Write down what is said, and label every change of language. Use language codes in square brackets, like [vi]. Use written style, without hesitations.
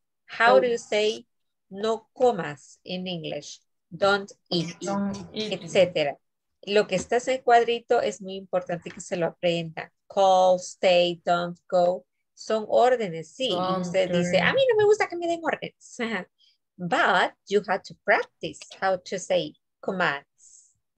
[en] How do you say [es] no comas [en] in English? Don't eat, etc. [es] Lo que está en el cuadrito es muy importante que se lo aprenda. [en] Call, stay, don't go. [es] Son órdenes, sí. Y usted dice, a mí no me gusta que me den órdenes. [en] But you have to practice how to say [es] comas.